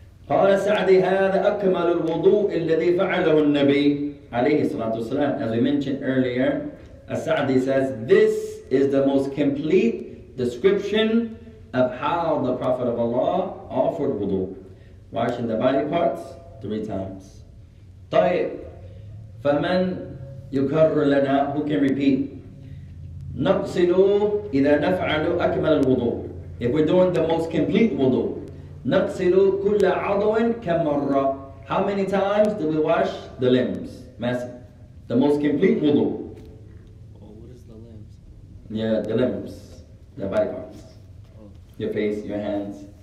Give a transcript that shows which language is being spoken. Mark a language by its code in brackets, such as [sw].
[ar] قال سعدي هذا أكمل الوضوء الذي فعله النبي عليه الصلاة والسلام. [en] As we mentioned earlier, السعدي says, this is the most complete description of how the Prophet of Allah offered wudu, washing the body parts three times. [ar] طيب فمن يكرر لنا, [en] who can repeat? [ar] نغسل إذا نفعل أكمل الوضوء. [en] If we're doing the most complete wudu, [ar] نغسل كل عضو كم مرة. [en] How many times do we wash the limbs? The most complete wudu. Oh, what is the limbs? Yeah, the limbs, the body parts. Oh. Your face, your hands.